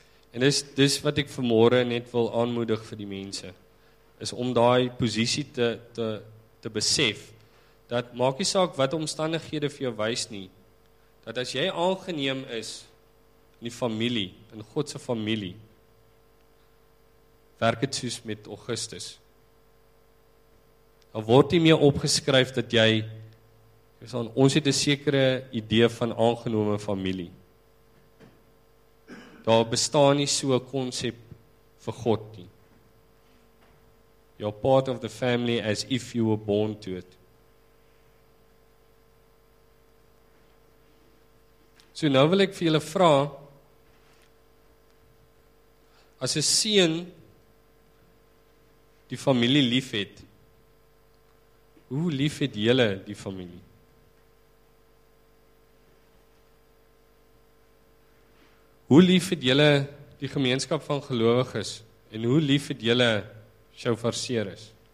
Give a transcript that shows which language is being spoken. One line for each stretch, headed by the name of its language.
Afrikaans: En dis wat ek vanmôre net wil aanmoedig vir die mense, is om daai posisie te besef, dat maak nie saak wat omstandighede vir jou wys nie, dat as jy aangeneem is in die familie, in God se familie, werk dit soos met Augustus. Dan word nie meer opgeskryf dat jy, ons het 'n sekere idee van aangenome familie. Daar bestaan nie so 'n konsep vir God nie.
English: You're part of the family as if you were born to it.
Afrikaans: So nou wil ek vir julle vra, as 'n seun die familie lief het, hoe lief het julle die familie? Hoe lief het julle die gemeenskap van gelowiges en hoe lief het julle Shofar Ceres?